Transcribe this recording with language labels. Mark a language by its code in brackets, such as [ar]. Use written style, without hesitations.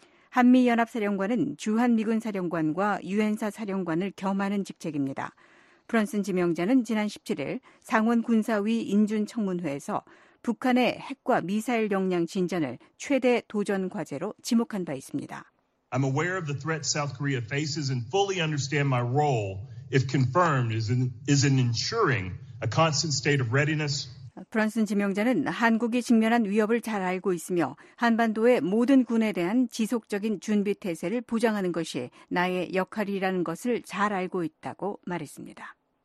[ko] 한미연합사령관은 주한미군사령관과 유엔사 사령관을 겸하는 직책입니다. 브런슨 지명자는 지난 17일 상원 군사위 인준청문회에서 북한의 핵과 미사일 역량 진전을 최대 도전 과제로 지목한 바 있습니다. [en] I'm aware of the threat South Korea faces and fully understand my role. If confirmed, is an ensuring a constant state of readiness. [ko] 브런슨 지명자는 한국이 직면한 위협을 잘 알고 있으며 한반도의 모든 군에 대한 지속적인 준비 태세를 보장하는 것이 나의 역할이라는 것을 잘 알고 있다고 말했습니다.